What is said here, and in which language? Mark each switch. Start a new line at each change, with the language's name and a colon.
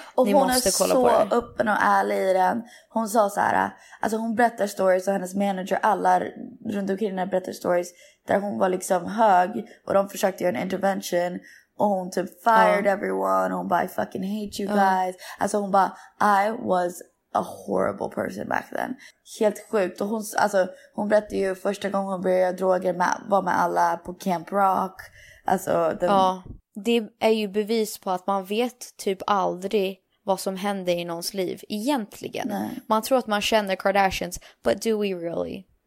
Swedish: och ni hon måste är kolla så på det. Öppen och ärlig i den. Hon sa så här, alltså hon berättar stories och hennes manager, alla runt omkring henne berättar stories där hon var liksom hög och de försökte göra en intervention och hon typ
English: fired everyone
Swedish: och hon bara,
English: I fucking hate you guys.
Swedish: Alltså hon bara,
English: I was a horrible person back then.
Swedish: Helt sjukt. Och hon, alltså, hon berättade ju första gången hon började droger var med alla på Camp Rock. Alltså, det är ju bevis på att man vet typ aldrig vad som händer i någons liv egentligen. Nej. Man tror att man känner Kardashians,
English: but do we really?